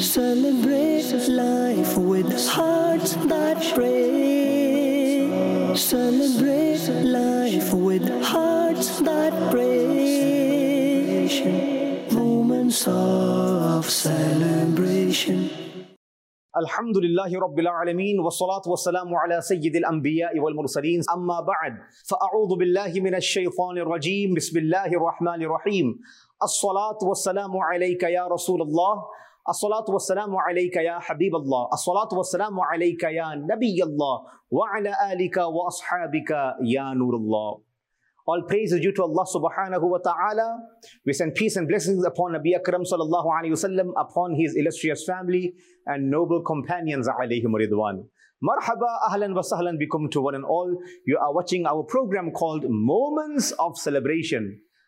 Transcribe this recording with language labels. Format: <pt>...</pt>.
<en>Celebrate life with hearts that pray. Celebrate life with hearts that pray. Moments of celebration.</en> <ar>الحمد لله رب العالمين والصلاة والسلام على سيد الأنبياء والمرسلين أما بعد فأعوذ بالله من الشيطان الرجيم بسم الله الرحمن الرحيم الصلاة والسلام عليك يا رسول الله الصلاة والسلام عليك يا حبيب الله الصلاة والسلام عليك يا نبي الله وعلى آلك وأصحابك يا نور الله.</ar> <en>All praise is due to Allah subhanahu wa ta'ala. We send peace and blessings upon Nabi Akram sallallahu alayhi wa sallam, upon his illustrious family and noble companions alayhim ridwan. Marhaba, ahlan wa sahlan bikum to one and all. You are watching our program called Moments of Celebration.</en>